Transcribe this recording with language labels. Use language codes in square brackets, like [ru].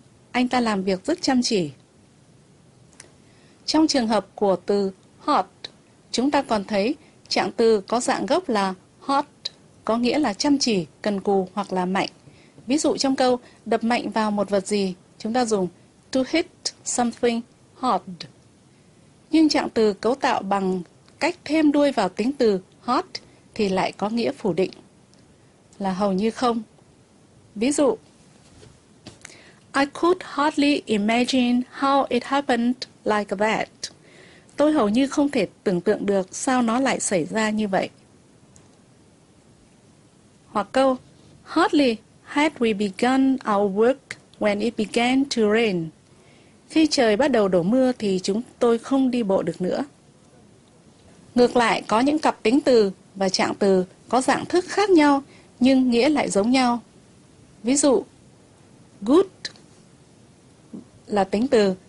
[vi] Anh ta làm việc rất chăm chỉ. Trong trường hợp của từ hot, chúng ta còn thấy trạng từ có dạng gốc là hot, có nghĩa là chăm chỉ, cần cù hoặc là mạnh. Ví dụ trong câu đập mạnh vào một vật gì, chúng ta dùng [en] to hit something hard. [vi] Nhưng trạng từ cấu tạo bằng cách thêm đuôi vào tính từ hot thì lại có nghĩa phủ định là hầu như không. Ví dụ, [en] I could hardly imagine how it happened like that. [vi] Tôi hầu như không thể tưởng tượng được sao nó lại xảy ra như vậy. Hoặc câu, [en] hardly had we begun our work when it began to rain. [vi] Khi trời bắt đầu đổ mưa thì chúng tôi không đi bộ được nữa. Ngược lại, có những cặp tính từ và trạng từ có dạng thức khác nhau nhưng nghĩa lại giống nhau. Ví dụ, good là tính từ